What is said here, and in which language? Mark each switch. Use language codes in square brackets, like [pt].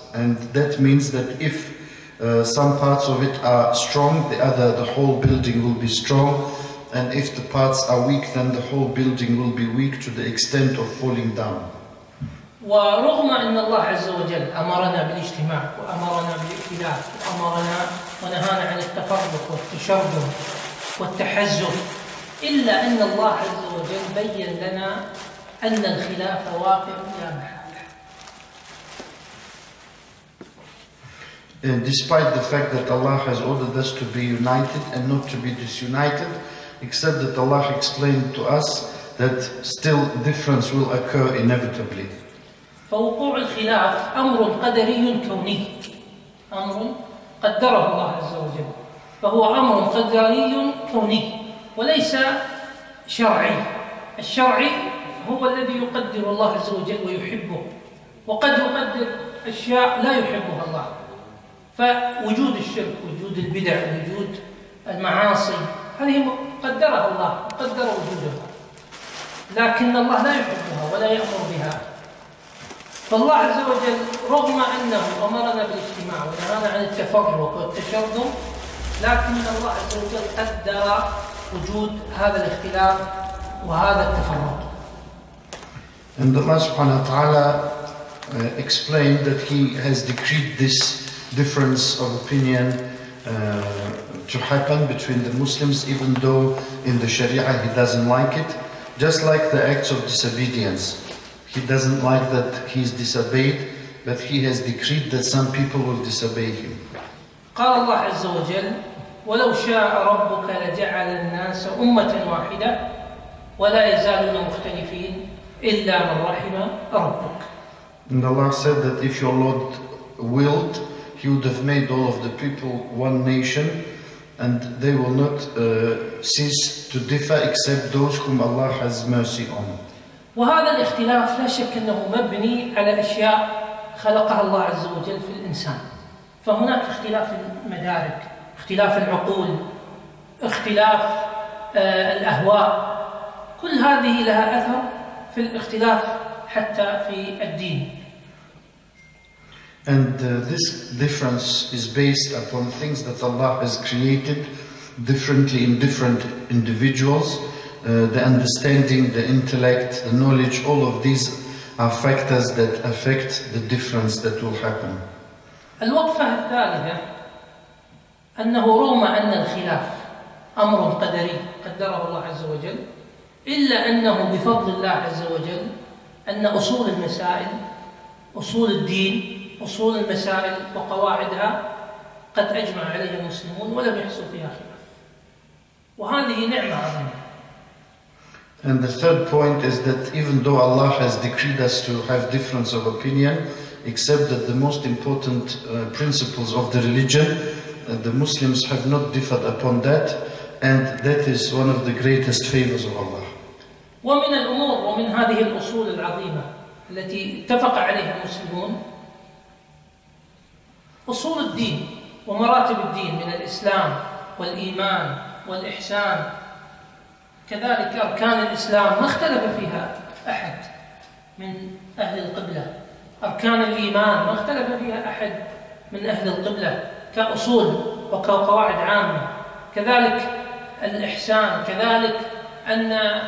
[en] And that means that if some parts of it are strong, the whole building will be strong. And if the parts are weak, then the whole building will be weak to the extent of falling down. [ar] ورغم أن الله عز وجل أمرنا بالاجتماع وأمرنا بالاختلاف وأمرنا ونهانا عن التفرق والتشرذم والتحزب، إلا أن الله عز وجل بيّن لنا أن الخلاف واقع لا محالة. [en] And despite the fact that Allah has ordered us to be united and not to be disunited, except that Allah explained to us that still difference will occur inevitably. [ar] فوقوع الخلاف أمر قدري كوني، أمر قدره الله عز وجل، فهو أمر قدري كوني وليس شرعي. الشرعي هو الذي يقدر الله عز وجل ويحبه، وقد يقدر أشياء لا يحبها الله. فوجود الشرك، وجود البدع، وجود المعاصي، هذه قدرها الله، قدر وجودها، لكن الله لا يحبها ولا يأمر بها. فالله عز وجل رغم أنه أمرنا بالاجتماع ونهانا عن التفرق والتشرذم، لكن الله عز وجل قدر وجود هذا الاختلاف وهذا التفرق. [en] And Allah [ar] subhanahu wa ta'ala [en] explained that He has decreed this difference of opinion to happen between the Muslims, even though in the Sharia He doesn't like it, just like the acts of disobedience. He doesn't like that He is disobeyed, but He has decreed that some people will disobey Him. [ar] قال الله عز وجل ولو شاء ربك لجعل الناس أمة واحدة ولا يزالون مختلفين إلا من رحم ربك. [en] And Allah said that if your Lord willed, He would have made all of the people one nation, and they will not cease to differ except those whom Allah has mercy on. [ar] وهذا الاختلاف لا شك أنه مبني على أشياء خلقها الله عز وجل في الإنسان. فهناك اختلاف المدارك، اختلاف العقول، اختلاف الأهواء، كل هذه لها أثر في الاختلاف حتى في الدين. [en] And this difference is based upon things that Allah has created differently in different individuals. The understanding, the intellect, the knowledge, all of these are factors that affect the difference that will happen. [ar] الوقفة الثالثة أنه رغم أن الخلاف أمر قدري قدره الله عز وجل، إلا أنه بفضل الله عز وجل أن أصول المسائل، أصول الدين، أصول المسائل وقواعدها قد أجمع عليها المسلمون ولم يحصل فيها خلاف، وهذه نعمة عظيمة. [en] And the third point is that even though Allah has decreed us to have difference of opinion, except that the most important principles of the religion, the Muslims have not differed upon that, and that is one of the greatest favors of Allah. [ar] ومن الأمور ومن هذه الأصول العظيمة التي اتفق عليها المسلمون أصول الدين ومراتب الدين من الإسلام والإيمان والإحسان، كذلك أركان الإسلام ما اختلف فيها أحد من أهل القبلة، أركان الإيمان ما اختلف فيها أحد من أهل القبلة كأصول وكقواعد عامة، كذلك الإحسان، كذلك أن